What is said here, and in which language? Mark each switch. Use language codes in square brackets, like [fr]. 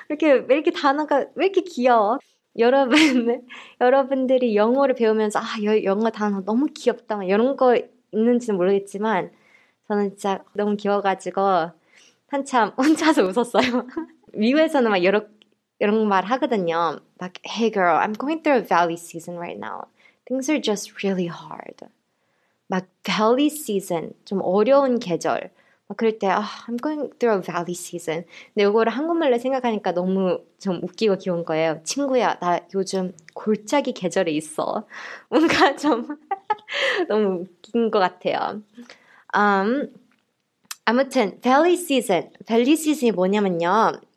[ko] 왜 이렇게 단어가 왜 이렇게 귀여워? 여러분들이 영어를 배우면서 영어 단어 너무 귀엽다 이런 거 있는지는 모르겠지만 저는 진짜 너무 귀여워가지고 한참 혼자서 웃었어요. 미국에서는 막 이런 말 하거든요. [en] Like, hey girl, I'm going through a valley season right now. Things are just really hard. [ko] 막 valley season, 좀 어려운 계절. 막 그럴 때, [en] I'm going through a valley season. [ko] 근데 이거를 한국말로 생각하니까 너무 좀 웃기고 귀여운 거예요. 친구야, 나 요즘 골짜기 계절에 있어. 뭔가 좀 너무 웃긴 것 같아요. 아무튼 valley season, valley season이 뭐냐면요.